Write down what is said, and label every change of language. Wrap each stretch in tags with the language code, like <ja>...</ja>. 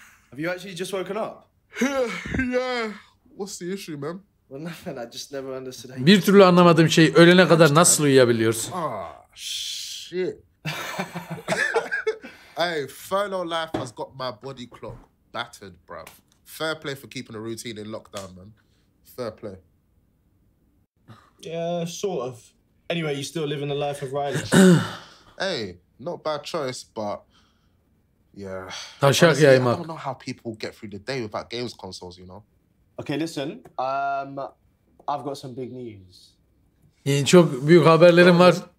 <en>Have you actually just woken up? Yeah. What's the issue, man? Well, nothing. I just never understood.</en> <tr>Bir türlü anlamadığım şey ölene kadar nasıl uyuyabiliyorsun?</tr> <en>Ah, shit. Hey, furlough life has got my body clock battered, bruv. Fair play for keeping a routine in lockdown, man. Fair play. Yeah, sort of. Anyway, you still living the life of Riley. Hey, not bad choice, but yeah. Honestly, I don't know how people get through the day without games consoles, you know? Okay, listen. I've got some big news.</en> <tr>Yani çok büyük haberlerim var.</tr>